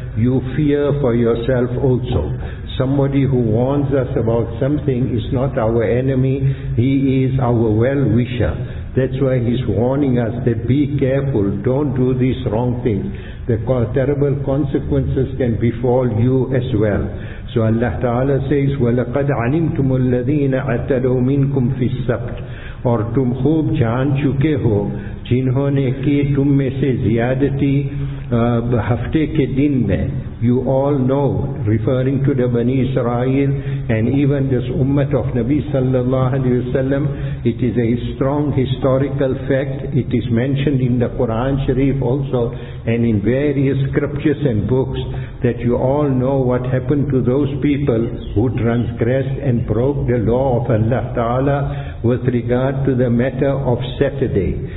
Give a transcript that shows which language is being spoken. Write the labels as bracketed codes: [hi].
[en] You fear for yourself also. Somebody who warns us about something is not our enemy, he is our well-wisher. That's why he's warning us that be careful, don't do these wrong things. The terrible consequences can befall you as well. So Allah Ta'ala says, [ar] وَلَقَدْ عَلِمْتُمُ الَّذِينَ عَتَدُوا مِنْكُمْ فِي السَّبْتِ. [ur] اور تم خوب جان چکے ہو جنہوں نے کی تم میں سے زیادتی ہفتے کے دن میں. [en] You all know, referring to the Bani Israel and even this ummah of Nabi sallallahu alayhi wa sallam, it is a strong historical fact. It is mentioned in the Quran Sharif also and in various scriptures and books, that you all know what happened to those people who transgressed and broke the law of Allah Ta'ala with regard to the matter of Saturday.